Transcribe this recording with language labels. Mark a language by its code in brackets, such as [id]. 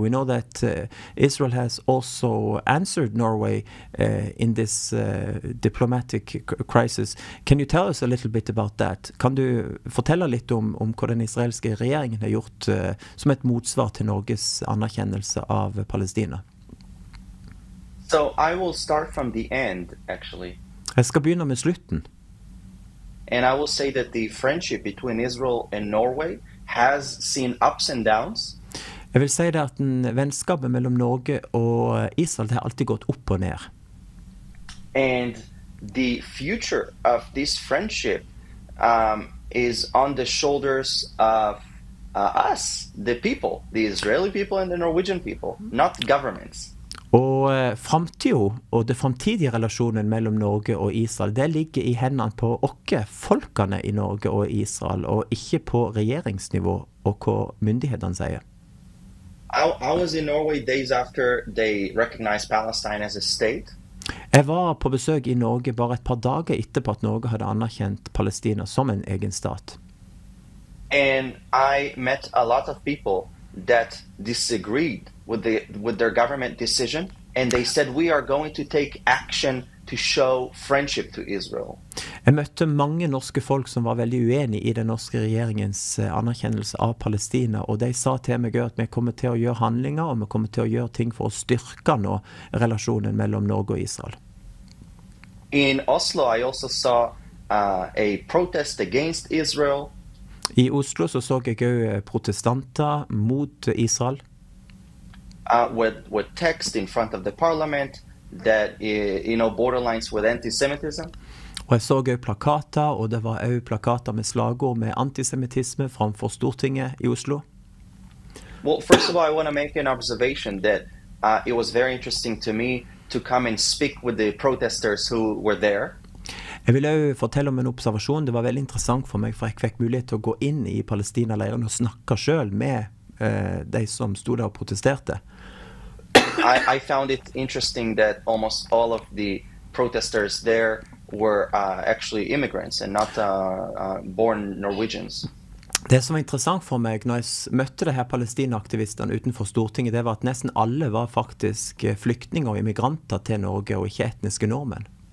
[en] We know that Israel has also answered Norway in this diplomatic crisis. Can you tell us a little bit about that? [no] Kan du fortelle litt om hva den israelske regjeringen har gjort som et motsvar til Norges anerkjennelse av Palestina? [en] So I will start from the end, actually. [no] Jeg skal begynne med slutten. [en] And I will say that the friendship between Israel and Norway has seen ups and downs. [no] Jeg vil si det at den vennskapet mellom Norge og Israel har alltid gått opp og ned. [en] And the future of this friendship is on the shoulders of us, the people, the Israeli people and the Norwegian people, not governments. [no] Og fremtiden og det fremtidige relasjonen mellom Norge og Israel, det ligger i hendene på dere, folkene i Norge og Israel, og ikke på regjeringsnivå og hva myndighetene sier. [en] I was in Norway days after they recognized Palestine as a state. [no] Jeg var på besøk i Norge bare et par dager etterpå at Norge hadde anerkjent Palestina som en egen stat. [en] And I met a lot of people that disagreed with their government decision, and they said, we are going to take action to show friendship to Israel. [no] Jeg møtte mange norske folk som var veldig uenige i den norske regjeringens anerkjennelse av Palestina, og de sa til meg at vi kommer til å gjøre handlinger, og vi kommer til å gjøre ting for å styrke nå relasjonen mellom Norge og Israel. [en] In Oslo, I also saw a protest against Israel. [no] I Oslo så såg jeg også protestanter mot Israel. [en] With text in front of the parliament that you know borderlines with antisemitism. [no] Og jeg så også plakater, og det var også plakater med slagord med antisemitisme framfor Stortinget i Oslo. [en] Well, first of all, I want to make an observation that it was very interesting to me to come and speak with the protesters who were there. [no] Jeg vil også fortelle om en observasjon. Det var veldig interessant for meg, for jeg fikk mulighet til å gå inn i Palestina-leiren og snakke selv med de som stod der og protesterte. [en] I found it interesting that almost all of the protesters there were actually immigrants and not born Norwegians. [no] Det som var interessant for meg når jeg møtte de her palestinaktivisterne utenfor Stortinget, det var at nesten alle var faktisk flyktninger og immigranter til Norge og ikke etniske nordmenn.